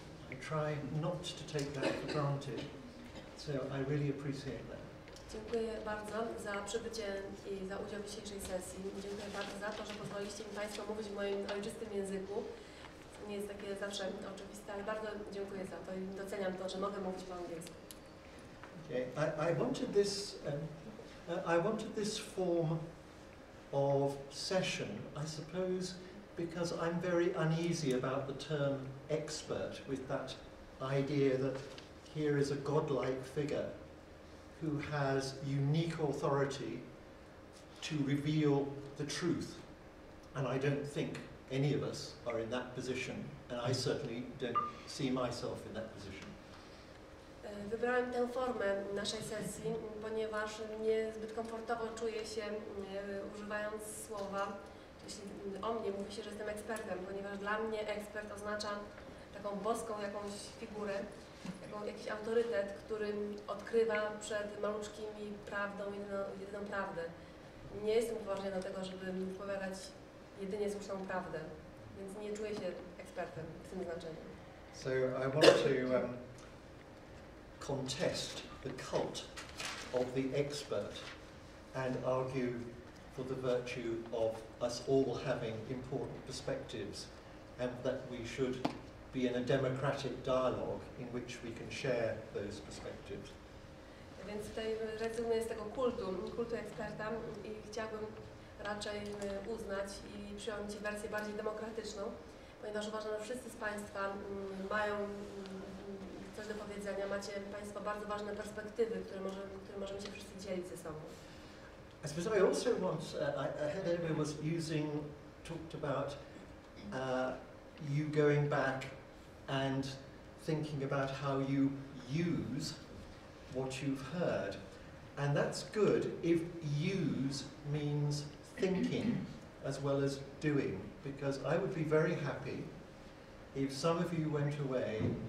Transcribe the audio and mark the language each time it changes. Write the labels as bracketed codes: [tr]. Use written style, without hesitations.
[en] I try not to take that for granted, so I really appreciate that. [pl] Dziękuję bardzo za przybycie i za udział w dzisiejszej sesji. Dziękuję bardzo za to, że pozwoliliście mi Państwo mówić w moim ojczystym języku. Nie jest takie zawsze oczywiste, ale bardzo dziękuję za to i doceniam to, że mogę mówić po angielsku. [en] Okay. I wanted this form of session, I suppose, because I'm very uneasy about the term expert, with that idea that here is a godlike figure who has unique authority to reveal the truth, and I don't think any of us are in that position, and I certainly don't see myself in that position. [pl] Wybrałem tę formę naszej sesji, ponieważ niezbyt komfortowo czuję się, używając słowa, jeśli o mnie mówi się, że jestem ekspertem, ponieważ dla mnie ekspert oznacza taką boską jakąś figurę, jakiś autorytet, który odkrywa przed maluczkimi prawdą, jedyną prawdę. Nie jestem uważna do tego, żeby wypowiadać jedynie słuszną prawdę, więc nie czuję się ekspertem w tym znaczeniu. [en] So I want to contest the cult of the expert and argue for the virtue of us all having important perspectives, and that we should be in a democratic dialogue in which we can share those perspectives. [pl] Więc tutaj rezygnuję z tego kultu, kultu eksperta, i chciałbym raczej uznać i przyjąć wersję bardziej demokratyczną, ponieważ uważam, że wszyscy z Państwa mają coś do powiedzenia, macie Państwo bardzo ważne perspektywy, które możemy się wszyscy dzielić ze sobą. [en] I suppose I also want, Helena was using, talked about you going back and thinking about how you use what you've heard, and that's good if use means thinking as well as doing, because I would be very happy if some of you went away